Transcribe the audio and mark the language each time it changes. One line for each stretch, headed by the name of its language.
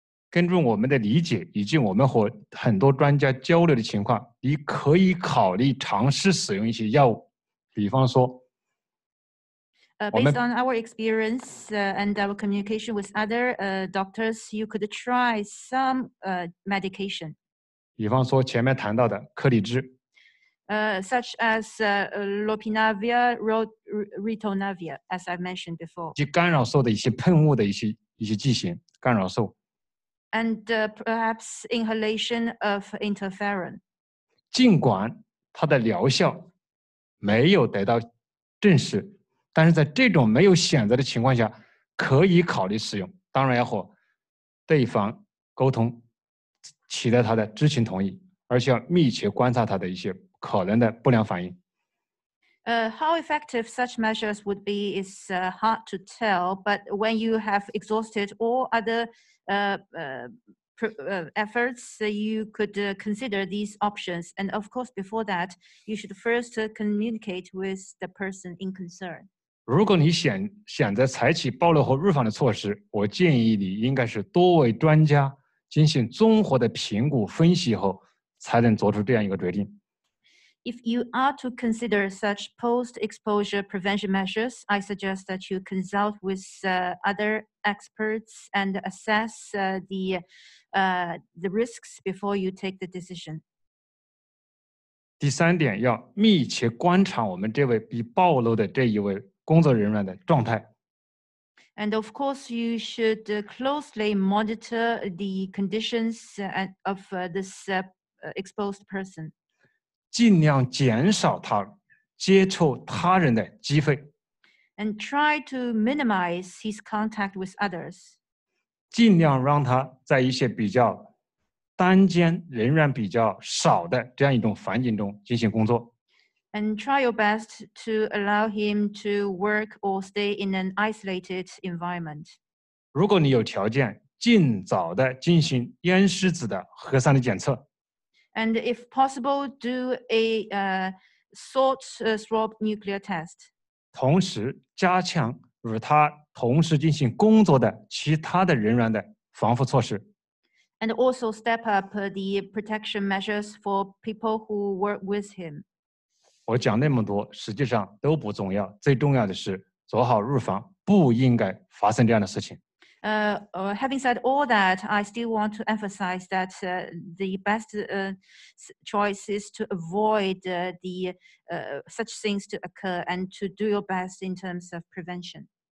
Chinese: 根据我们的理解，以及我们和很多专家交流的情况，你可以考虑尝试使用一些药物，比方说。
English: Based on our experience and our communication with other doctors, you could try some medication.
Chinese: 比方说前面谈到的科里芝。
English: Such as lopinavir, ritonavir, as I mentioned before.
Chinese: 及干扰兽的一些喷雾的一些剂型，干扰兽。
English: And perhaps inhalation of interferon.
Chinese: 尽管它的疗效没有得到证实，但是在这种没有选择的情况下，可以考虑使用。当然要和对方沟通，取得他的知情同意，而且要密切观察他的一些。可能的不良反应。
English: How effective such measures would be is hard to tell, but when you have exhausted all other efforts, you could consider these options. And of course, before that, you should first communicate with the person in concern.
Chinese: 如果你选择采取暴露后入房的措施，我建议你应该是多位专家进行综合的评估分析后，才能做出这样一个决定。
English: If you are to consider such post-exposure prevention measures, I suggest that you consult with other experts and assess the risks before you take the decision.
Chinese: 第三点，要密切观察我们这位被暴露的这一位工作人员的状态。
English: And of course, you should closely monitor the conditions of this exposed person.
Chinese: 尽量减少他接触他人的机会
English: ，and try to minimize his contact with others。
Chinese: 尽量让他在一些比较单间、人员比较少的这样一种环境中进行工作
English: ，and try your best to allow him to work or stay in an isolated environment。
Chinese: 如果你有条件，尽早的进行咽拭子的核酸的检测。
English: And if possible, do a salt swab nuclear test.
Chinese: 同时加强与他同时进行工作的其他的人员的防护措施。
English: And also step up the protection measures for people who work with him.
Chinese: 我讲那么多，实际上都不重要，最重要的是做好预防，不应该发生这样的事情。
English: Having said all that, I still want to emphasize that the best choice is to avoid such things to occur and to do your best in terms of prevention.